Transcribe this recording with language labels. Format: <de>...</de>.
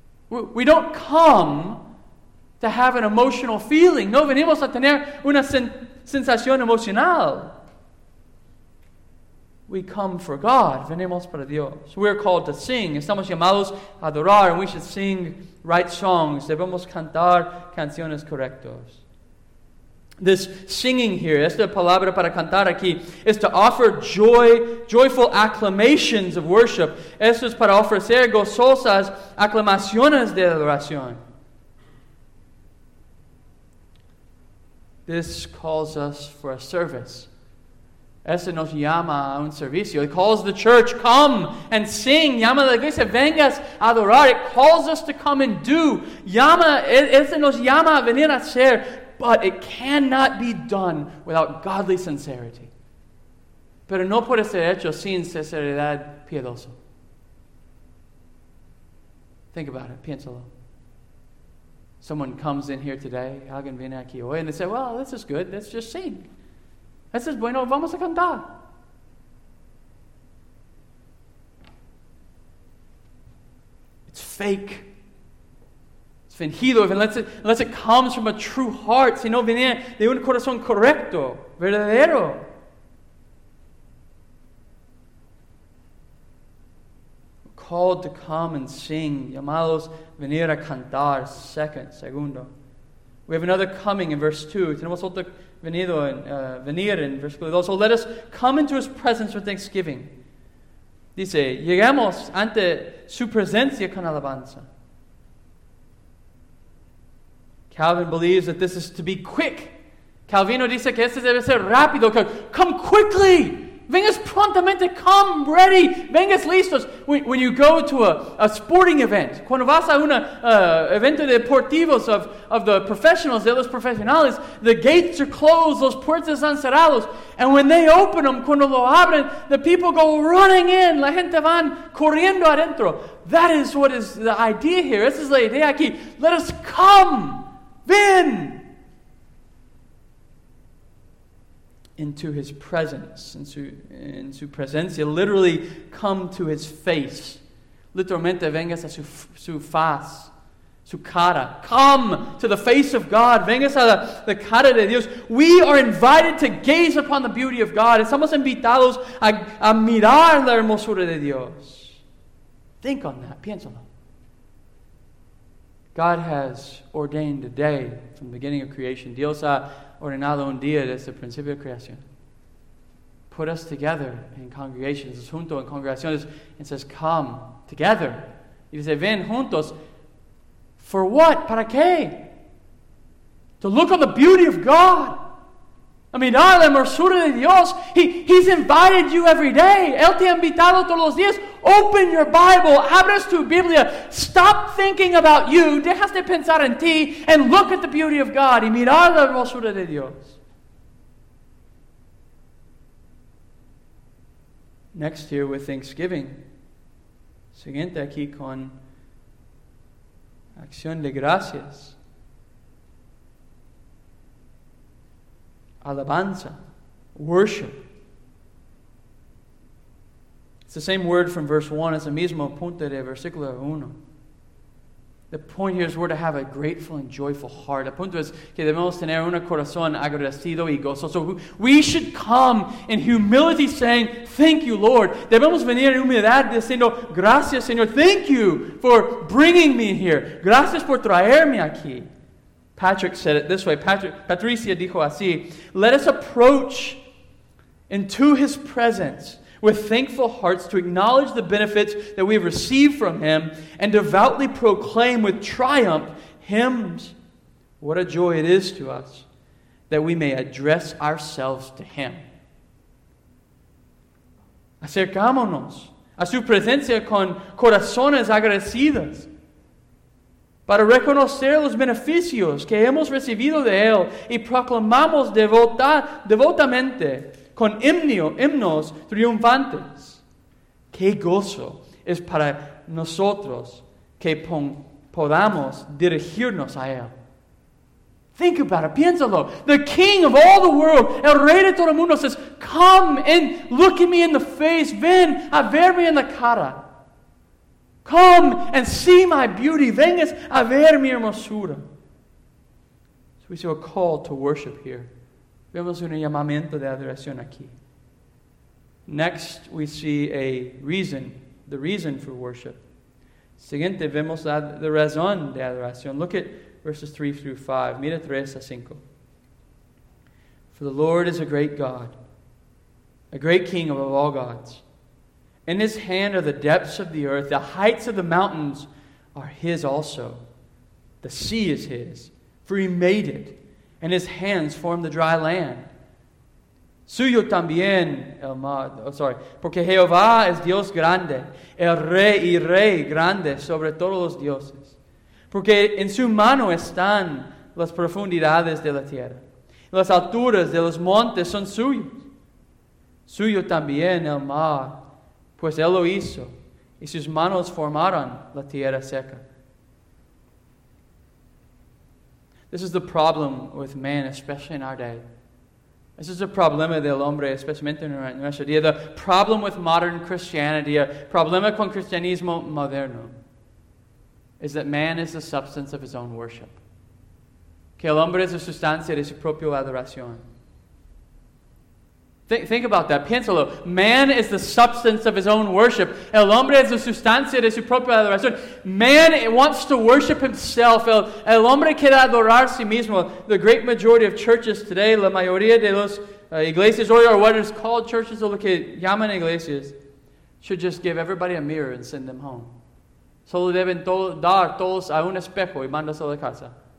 <en>We don't come to have an emotional feeling.</en> <es>No venimos a tener una sensación emocional.</es> <en>We come for God.</en> <es>Venimos para Dios.</es> <en>We are called to sing.</en> <es>Estamos llamados a adorar,</es> <en>and we should sing right songs.</en> <es>Debemos cantar canciones correctas.</es> <en>This singing here,</en> <es>esta palabra para cantar aquí,</es> <en>is to offer joyful acclamations of worship.</en> <es>Esto es para ofrecer gozosas aclamaciones de adoración.</es> <en>This calls us for a service.</en> <es>Esto nos llama a un servicio.</es> <en>It calls the church, come and sing.</en> <es>Llama a la iglesia, vengas a adorar.</es> <en>It calls us to come and do.</en> <es>Esto nos llama a venir a hacer.</es> <en>But it cannot be done without godly sincerity.</en> <es>Pero no puede ser hecho sin sinceridad piadosa.</es> <en>Think about it.</en> <es>Piénsalo.</es> <en>Someone comes in here today.</en> <es>Alguien viene aquí hoy.</es> <en>And they say, well, this is good. Let's just sing. This is bueno.</en> <es>Vamos a cantar.</es> <en>It's fake.</en> <es>Fingido,</es> <en>unless it comes from a true heart,</en> <es>si no viene de un corazón correcto, verdadero.</es> <en>We're called to come and sing,</en> <es>llamados venir a cantar, segundo.</es> <en>We have another coming in verse 2.</en> <es>Tenemos otro venido en venir en versículo 2.</es> <en>So let us come into his presence with thanksgiving.</en> <es>Dice, lleguemos ante su presencia con alabanza.</es> <en>Calvin believes that this is to be quick.</en> <es>Calvino dice que esto debe ser rápido.</es> <en>Come quickly.</en> <es>Vengas prontamente.</es> <en>Come ready.</en> <es>Vengas listos.</es> <en>When you go to a sporting event,</en> <es>cuando vas a un evento deportivos</es> <en>of the professionals,</en> <es>de los profesionales,</es> <en>the gates are closed,</en> <es>los puertas están cerrados.</es> <en>And when they open them,</en> <es>cuando lo abren,</es> <en>the people go running in.</en> <es>La gente van corriendo adentro.</es> <en>That is what is the idea here.</en> <es>Esa es la idea aquí.</es> <en>Let us come. Ven into his presence, into presencia, literally come to his face.</en> <es>Literalmente, vengas a su faz, su cara.</es> <en>Come to the face of God.</en> <es>Vengas a la cara de Dios.</es> <en>We are invited to gaze upon the beauty of God.</en> <es>Estamos invitados a mirar la hermosura de Dios.</es> <en>Think on that.</en> <es>Piénsalo.</es> <en>God has ordained a day from the beginning of creation.</en> <es>Dios ha ordenado un día desde el principio de creación.</es> <en>Put us together in congregations,</en> <es>junto en congregaciones,</es> <en>and says, come together.</en> <es>Y dice, ven juntos.</es> <en>For what?</en> <es>¿Para qué?</es> <en>To look on the beauty of God. I mean,</en> <es>a la hermosura de Dios.</es> <en>He's invited you every day.</en> <es>Él te ha invitado todos los días.</es> <en>Open your Bible.</en> <es>Abres tu Biblia.</es> <en>Stop thinking about you.</en> <es>Dejas de pensar en ti.</es> <en>And look at the beauty of God.</en> <es>Y mirar la hermosura de Dios.</es> <en>Next year with Thanksgiving.</en> <es>Siguiente aquí con acción de gracias. Alabanza. Worship.</es> <en>It's the same word from verse 1.</en> <es>It's the mismo punto de versículo 1.</es> <en>The point here is we're to have a grateful and joyful heart.</en> <es>El punto es que debemos tener un corazón agradecido y gozoso.</es> <en>So we should come in humility saying, thank you, Lord.</en> <es>Debemos venir en humildad diciendo, gracias, Señor.</es> <en>Thank you for bringing me here.</en> <es>Gracias por traerme aquí.</es> <en>Patrick said it this way.</en> <es>Patricia dijo así,</es> <en>let us approach into his presence with thankful hearts to acknowledge the benefits that we have received from him and devoutly proclaim with triumph hymns. What a joy it is to us that we may address ourselves to him.</en> <es>Acercámonos a su presencia con corazones agradecidos para reconocer los beneficios que hemos recibido de él y proclamamos devotamente con himnos triunfantes. ¡Qué gozo es para nosotros que podamos dirigirnos a Él!</es> <en>Think about it,</en> <es>piénsalo.</es> <en>The King of all the world,</en> <es>el Rey de todo el mundo,</es> <en>says, come and look at me in the face.</en> <es>Ven a verme en la cara.</es> <en>Come and see my beauty.</en> <es>Vengas a ver mi hermosura.</es> <en>So we see a call to worship here.</en> <es>Vemos un llamamiento de adoración aquí.</es> <en>Next, we see a reason, the reason for worship.</en> <es>Siguiente, vemos la razón de adoración.</es> <en>Look at verses 3 through 5.</en> <es>Mira 3 a 5.</es> <en>For the Lord is a great God, a great King above all gods. In His hand are the depths of the earth. The heights of the mountains are His also. The sea is His, for He made it, and His hands formed the dry land.</en> <es>Suyo también el mar. Porque Jehová es Dios grande, el rey y rey grande sobre todos los dioses. Porque en su mano están las profundidades de la tierra. Las alturas de los montes son suyos. Suyo también el mar, pues Él lo hizo, y sus manos formaron la tierra seca.</es> <en>This is the problem with man, especially in our day. This is the</en> <es>problema del hombre, especialmente en nuestro día.</es> <en>The problem with modern Christianity,</en> <es>a problema con cristianismo moderno,</es> <en>is that man is the substance of his own worship.</en> <es>Que el hombre es la sustancia de su propia adoración.</es> <en>Think about that.</en> <es>Piénsalo.</es> <en>Man is the substance of his own worship.</en> <es>El hombre es la sustancia de su propia adoración.</es> <en>Man wants to worship himself.</en> <es>El hombre quiere adorar a sí mismo.</es> <en>The great majority of churches today,</en> <es>la mayoría de las iglesias,</es> <en>or what is called churches,</en> <es>o lo que llaman iglesias,</es> <en>should just give everybody a mirror and send them home.</en> <es>Solo deben dar todos a un espejo y mandarlos a la casa.</es>